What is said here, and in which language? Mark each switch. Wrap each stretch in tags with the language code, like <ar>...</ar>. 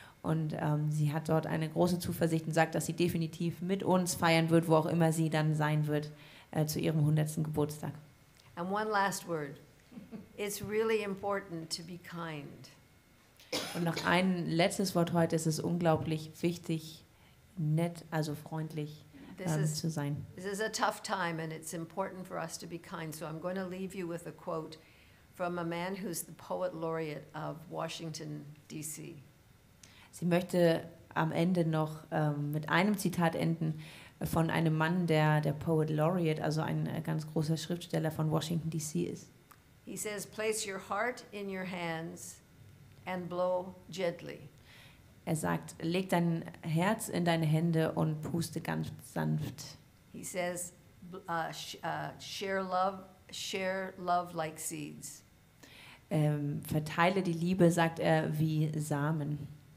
<de>Und sie hat dort eine große Zuversicht und sagt, dass sie definitiv mit uns feiern wird, wo auch immer sie dann sein wird, zu ihrem 100. Geburtstag.</de> <en>And one last word. It's really important to be kind.</en> <de>Und noch ein letztes Wort heute, es ist unglaublich wichtig, nett, also freundlich zu sein.</de> <en>This is a tough time and it's important for us to be kind. So I'm going to leave you with a quote from a man who's the poet laureate of Washington, D.C.</en> <de>Sie möchte am Ende noch mit einem Zitat enden von einem Mann, der Poet Laureate, also ein ganz großer Schriftsteller von Washington, D.C. ist.</de> <en>He says, place your heart in your hands and blow gently.</en> <de>Er sagt, leg dein Herz in deine Hände und puste ganz sanft.</de> <en>He says, share love like seeds.</en> <de>Verteile die Liebe, sagt er, wie Samen.</de>